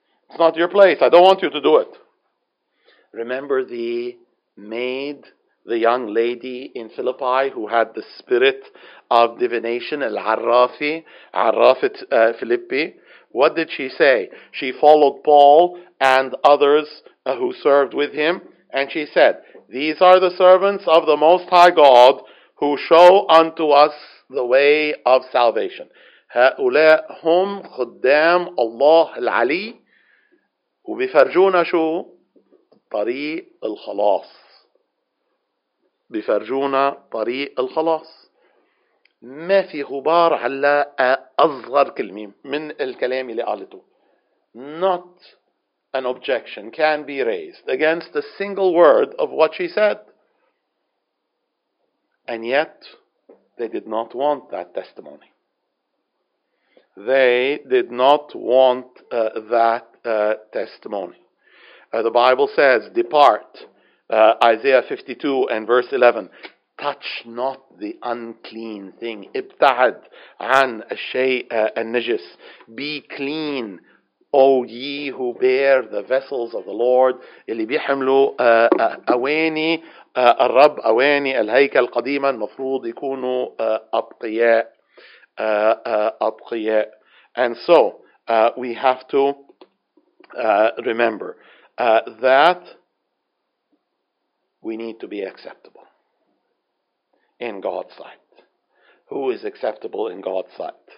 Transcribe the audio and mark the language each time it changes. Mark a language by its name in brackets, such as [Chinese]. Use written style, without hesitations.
[English] It's not your place. I don't want you to do it. Remember the maid, the young lady in Philippi who had the spirit of divination, al-Arrafi, Arrafat Philippi. What did she say? She followed Paul and others who served with him, and she said, these are the servants of the Most High God who show unto us the way of salvation. [Arabic] هؤلاء هم خدام الله العلي وبيفرجونا شو طريق الخلاص. بيفرجونا طريق الخلاص. ما في غبار على أصغر كلمة من الكلام اللي قالته. [English] Not an objection can be raised against a single word of what she said. And yet, they did not want that testimony. They did not want testimony. The Bible says, depart, Isaiah 52 and verse 11, touch not the unclean thing. [Arabic] ابتعد عن الشيء النجس. [English] Be clean, O ye who bear the vessels of the Lord. [Arabic] اللي بيحملوا أواني الرب, أواني الهيكل قديما, مفروض يكونوا أبقياء. أبقياء. [English] And so, we have to remember that we need to be acceptable in God's sight. Who is acceptable in God's sight?